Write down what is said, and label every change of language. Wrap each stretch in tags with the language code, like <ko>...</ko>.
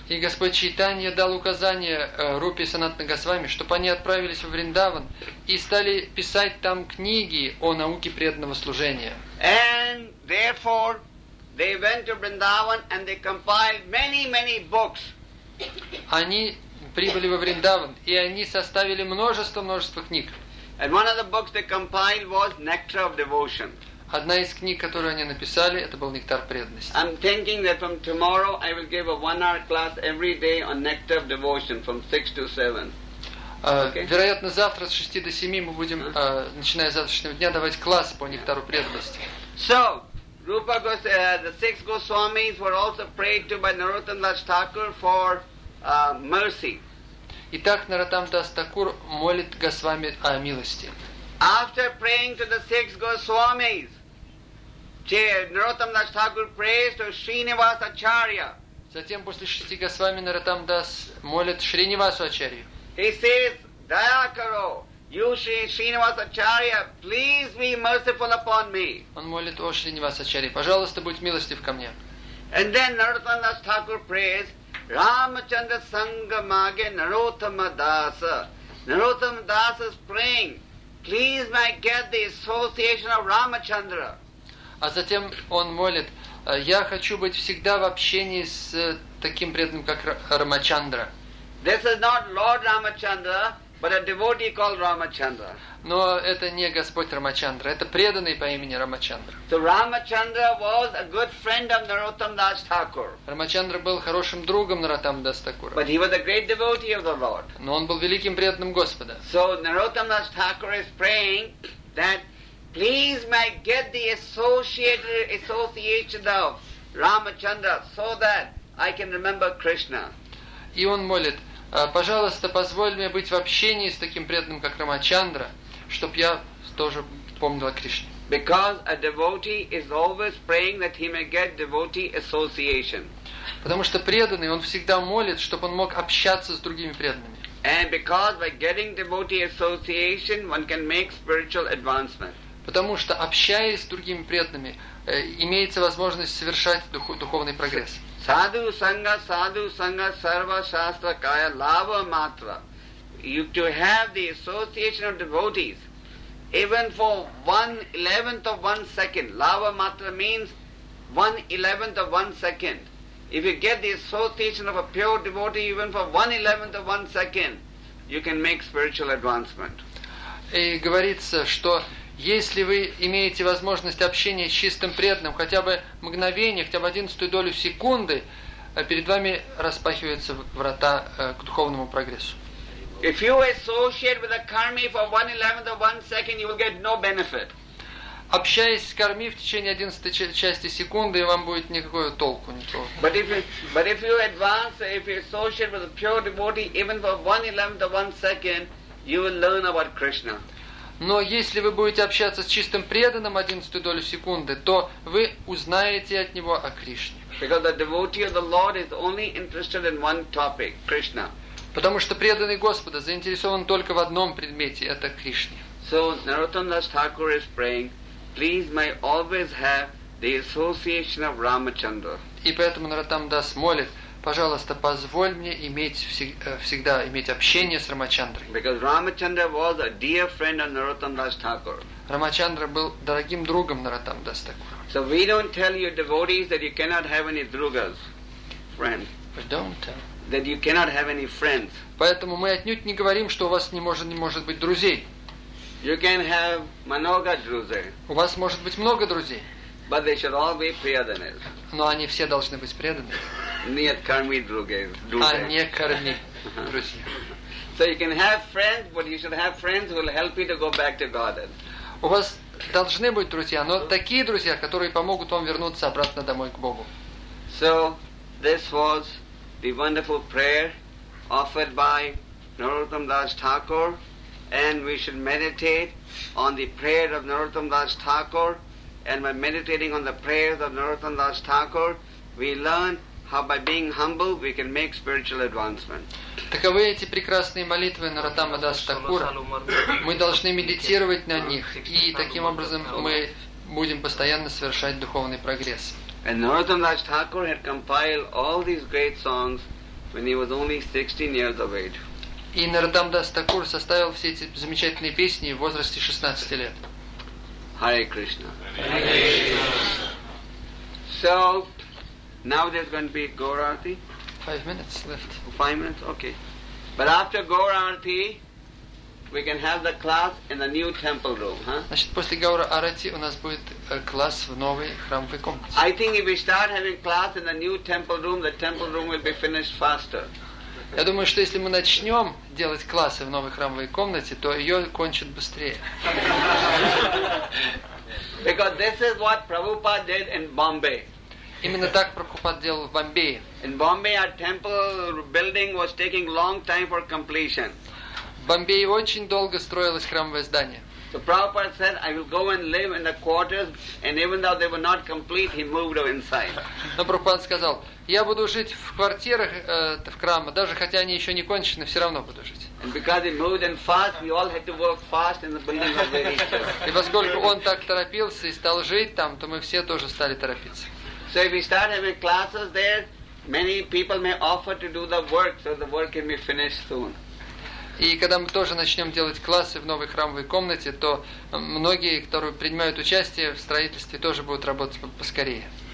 <ru>И Господь Чайтанья дал указание Рупе и Санатана Госвами, чтобы они отправились в Вриндаван и стали писать там книги о науке преданного служения.</ru> <en>And therefore, they went to Vrindavan and they compiled many, many books.</en> <ru>Они прибыли во Вриндаван, и они составили множество-множество книг.</ru> <en>And one of the books they compiled was Nectar of Devotion.</en> <ru>Одна из книг, которую они написали, это был «Нектар преданности».</ru> <en>I'm thinking that from tomorrow I will give a one-hour class every day on Nectar of Devotion from 6 to 7.</en> <ru>Вероятно, завтра с 6 до 7 мы будем, начиная с завтрашнего дня, давать класс по «Нектару преданности».</ru> <en>So, Rupa Goswami, the six Goswamis were also prayed to by Narottam Das Thakur for mercy.</en> <ru>Итак, Narottam Das Thakur молит Госвами о милости.</ru> <en>After praying to the six Goswamis, Narottam Das Thakur prays to Srinivas Acharya.</en> <ru>Затем после шести Госвами Narottam Das молит Шринивасу Ачарью.</ru> <en>He says, Dayakaro, you Srinivas Acharya, please be merciful upon me.</en> <ru>Он молит, о Шринивас Ачарья, пожалуйста, будь милостив ко мне.</ru> <en>And then Narottam Das Thakur prays, Ramachandra Sangamage Narottama Dasa. Narottam Das is praying, please may I get the association of Ramachandra.</en> <ru>А затем он молит, я хочу быть всегда в общении с таким преданным, как Рамачандра.</ru> <en>This is not Lord Ramachandra, but a devotee called Ramachandra.</en> <ru>Но это не Господь Рамачандра, это преданный по имени Рамачандра.</ru> <en>So Ramachandra was a good friend of Narottam Das Thakur.</en> <ru>Рамачандра был хорошим другом Narottam Das Thakur.</ru> <en>But he was a great devotee of the Lord.</en> <ru>Но он был великим преданным Господа.</ru> <en>So Narottam Das Thakur is praying that please might get the association of Ramachandra so that I can remember Krishna.</en> <ru>И он молит, пожалуйста, позволь мне быть в общении с таким преданным, как Рамачандра, чтоб я тоже помнила Кришну.</ru> <en>Because a devotee is always praying that he may get devotee association.</en> <ru>Потому что преданный, он всегда молит, чтобы он мог общаться с другими преданными.</ru> <en>And because by getting devotee association, one can make spiritual advancement.</en> <ru>Потому что общаясь с другими преданными, имеется возможность совершать духовный прогресс.</ru> <bn>Sadhu sangha, sarva shastra kaya lava matra.</bn> <en>You to have the association of devotees, even for 1/11 of 1 second. Lava matra means 1/11 of 1 second. If you get the association of a pure devotee even for 1/11 of 1 second, you can make spiritual advancement.</en> <ru>И говорится, что если вы имеете возможность общения с чистым преданным хотя бы мгновение, хотя бы 1/11 секунды, перед вами распахиваются врата к духовному прогрессу.</ru> <en>If you associate with a karmi for 1/11 of 1 second, you will get no benefit.</en> <ru>Общаясь с карми в течение 1/11 секунды, вам будет никакого толку. Никакого.</ru> <en>But if you associate with a pure devotee even for 1/11 of 1 second, you will learn about Krishna.</en> <ru>Но если вы будете общаться с чистым преданным 1/11 секунды, то вы узнаете от него о Кришне.</ru> <en>Because the devotee of the Lord is only interested in one topic, Krishna.</en> <ru>Потому что преданный Господа заинтересован только в одном предмете, это Кришне.</ru> <en>So Narottam Das Thakur is praying, please may always have the association of Ramachandra.</en> <ru>И поэтому Narottam Das молит, пожалуйста, позволь мне иметь всегда иметь общение с Рамачандрой.</ru> <en>Because Ramachandra was a dear friend of Narottam Das Thakur.</en> <ru>Рамачандра был дорогим другом Narottam Das Thakur.</ru> <en>So we don't tell your devotees that you cannot have any drugas, friend. We don't tell. That you cannot have any friends.</en> <ru>Поэтому мы отнюдь не говорим, что у вас не может быть друзей.</ru> <en>You can have</en> <ru>много друзей. У вас может быть много друзей.</ru> <en>But they should all be</en> <ru>преданные. Но они все должны быть преданы. Нет, корми друзей. А не корми друзей.</ru> <en>So you can have friends, but you should have friends who will help you to go back to Godhead.</en> <ru>У вас должны быть друзья, но такие друзья, которые помогут вам вернуться обратно домой к Богу.</ru> <en>So this was the wonderful prayer offered by Narottam Das Thakur, and we should meditate on the prayer of Narottam Das Thakur. And by meditating on the prayers of Narottam Das Thakur, we learn how by being humble we can make spiritual advancement.</en> <ru>Таковы эти прекрасные молитвы Нарадама Дас Такура. Мы должны медитировать на них, и таким образом мы будем постоянно совершать духовный прогресс.</ru> <en>And Narottam Das Thakur had compiled all these great songs when he was only 16 years of age.</en> <ru>И Нарадам Дас Такур составил все эти замечательные песни в возрасте 16 лет.</ru> <sa>Hare Krishna. Hare Krishna.</sa> <en>So, now there's going to be Gaurarti. 5 minutes left. 5 minutes, okay. But after Gaurarti, we can have the class in the new temple room, huh?</en> <ru>Значит, после Гаурарти у нас будет класс в новой храмовой комнате.</ru> <en>I think if we start having class in the new temple room, the temple room will be finished faster.</en> <ru>Я думаю, что если мы начнем делать классы в новой храмовой комнате, то ее кончат быстрее.</ru> <en>Because this is what Prabhupada did in Bombay.</en> <ru>Именно так Прабхупада делал в Бомбее.</ru> <en>In Bombay, our temple building was taking long time for completion.</en> <ru>В Бомбее очень долго строилось храмовое здание.</ru> <en>So Prabhupada said, I will go and live in the quarters, and even though they were not complete, he moved them inside.</en> <ru>Но Прабхупада сказал, я буду жить в квартирах в храме, даже хотя они еще не кончены, все равно буду жить.</ru> <en>And because he moved them fast, we all had to work fast in the building of the rishas.</en> <ru>И поскольку он так торопился и стал жить там, то мы все тоже стали торопиться.</ru> <en>So if we start having classes there, many people may offer to do the work, so the work can be finished soon.</en> <ru>И когда мы тоже начнем делать классы в новой храмовой комнате, то многие, которые принимают участие в строительстве, тоже будут работать поскорее.</ru>